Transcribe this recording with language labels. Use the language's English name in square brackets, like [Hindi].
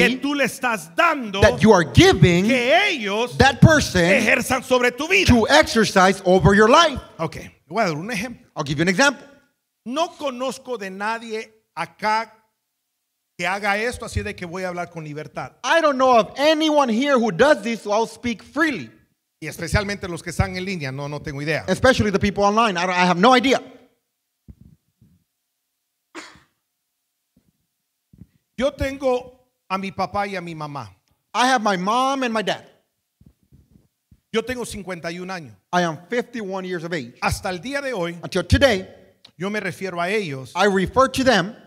[Spanish] que tú le estás dando, [English] that you are giving, [Spanish] que ellos, [English] that person, [Spanish] ejerzan sobre tu vida, [English] to exercise over your life. [Spanish] Okay. Voy a dar un ejemplo. [English] I'll give you an example. [Spanish] No conozco de nadie acá que haga esto, así de que voy a hablar con libertad. [English] I don't know of anyone here who does this, so I'll speak freely. [Spanish] Y especialmente los que están en línea, no tengo idea. [English] Especially the people online, I have no idea. [Spanish] Yo tengo a mi papá y a mi mamá. [English] I have my mom and my dad. [Spanish] Yo tengo 51 años. [English] I am 51 years of age. [Spanish] Hasta el día de hoy, [English] until today, [Spanish] yo me refiero a ellos, [English] I refer to them